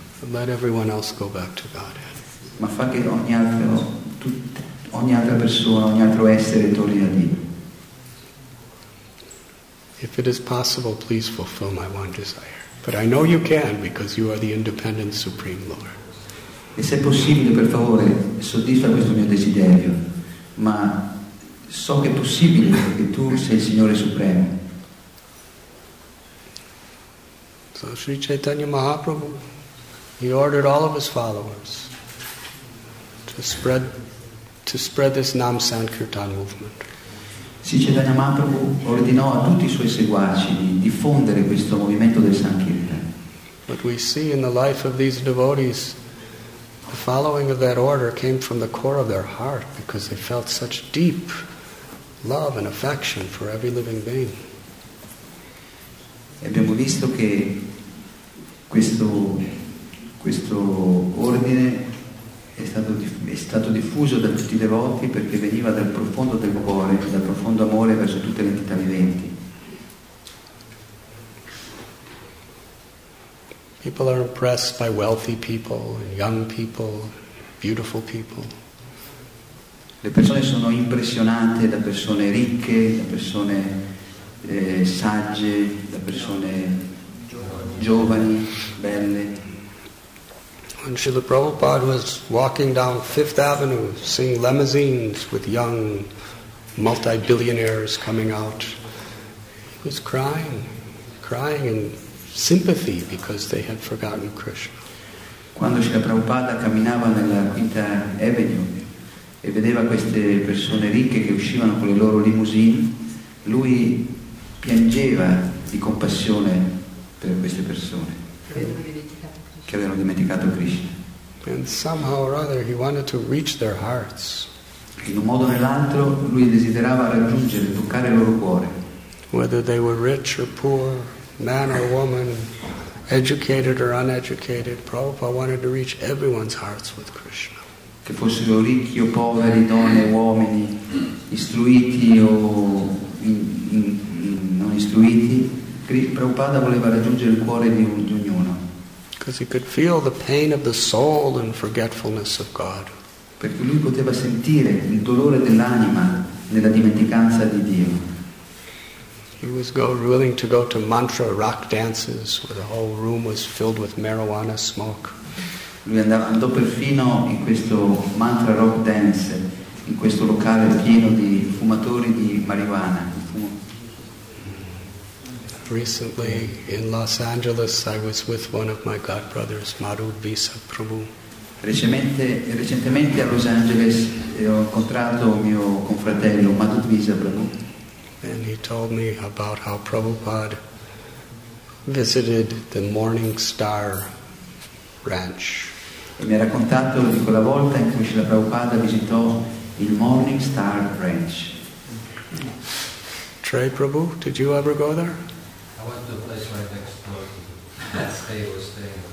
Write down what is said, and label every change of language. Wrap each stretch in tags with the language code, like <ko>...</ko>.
<en>Let everyone else go back to Godhead.</en> <it>Ma fa che ogni altra persona, ogni altro essere torni a Dio.</it> <en>If it is possible, please fulfill my one desire. But I know you can because you are the independent Supreme Lord.</en> <it>E se è possibile, per favore, soddisfa questo mio desiderio. Ma so che è possibile perché tu sei il Signore Supremo.</it> <en>So Sri Chaitanya Mahaprabhu, he ordered all of his followers to spread this Nam Sankirtan movement.</en> <it>Sri Chaitanya Mahaprabhu ordinò a tutti i suoi seguaci di diffondere questo movimento del Sankirtan.</it> <en>But we see in the life of these devotees, the following of that order came from the core of their heart because they felt such deep love and affection for every living being.</en> <it>Abbiamo visto che questo ordine è stato diffuso da tutti i devoti perché veniva dal profondo del cuore, dal profondo amore verso tutte le entità viventi.</it> <en>People are impressed by wealthy people, young people, beautiful people.</en> <it>Le persone sono impressionate da persone ricche, da persone sagge, da persone giovani, belle.</it> <en>When Srila Prabhupada was walking down Fifth Avenue, seeing limousines with young multi-billionaires coming out, he was crying and sympathy because they had forgotten Krishna.</en> <it>Quando Srila Prabhupada camminava nella Quinta Avenue e vedeva queste persone ricche che uscivano con le loro limousine, lui piangeva di compassione per queste persone che avevano dimenticato Krishna.</it> <en>And somehow or other he wanted to reach their hearts.</en> <it>In un modo o nell'altro lui desiderava raggiungere, toccare il loro cuore.</it> <en>Whether they were rich or poor, man or woman, educated or uneducated, Prabhupada wanted to reach everyone's hearts with Krishna.</en> <it>Che fossero ricchi o poveri, donne o uomini, istruiti o non istruiti, Prabhupada voleva raggiungere il cuore di ognuno.</it> <en>Because he could feel the pain of the soul and forgetfulness of God.</en> <it>Perché lui poteva sentire il dolore dell'anima nella dimenticanza di Dio.</it> <en>He was willing to go to mantra rock dances where the whole room was filled with marijuana smoke.</en> <it>Lui andò perfino in questo mantra rock dance, in questo locale pieno di fumatori di marijuana.</it> <en>Recently in Los Angeles I was with one of my god brothers, Maru Visa Prabhu.</en> <it>Recentemente a Los Angeles ho incontrato mio confratello Maru Visa Prabhu.</it> <en>And he told me about how Prabhupada visited the Morning Star Ranch.</en> <it>E mi ha raccontato di quella volta in cui Srila Prabhupada visitò il Morning Star Ranch.</it> <en>Trey Prabhu, did you ever go there? I went to a place right next door. That's where he was staying.</en>